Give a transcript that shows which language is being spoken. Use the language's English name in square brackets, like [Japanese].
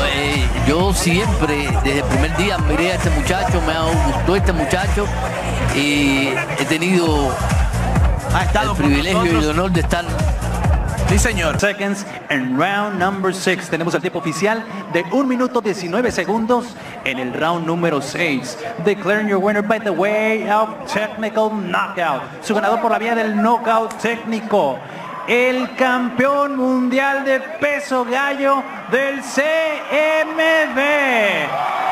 [Spanish] No, yo siempre, desde el primer día, miré a este muchacho, me ha gustado este muchacho. Y he tenido el privilegio y el honor de estar. Sí, señor. [English] Seconds en round number 6. [Spanish] Tenemos el tiempo oficial de 1 minuto 19 segundos en el round número 6. [English] Declaring your winner by the way of technical knockout. [Spanish] Su ganador por la vía del knockout técnico. El campeón mundial de peso gallo del CMB.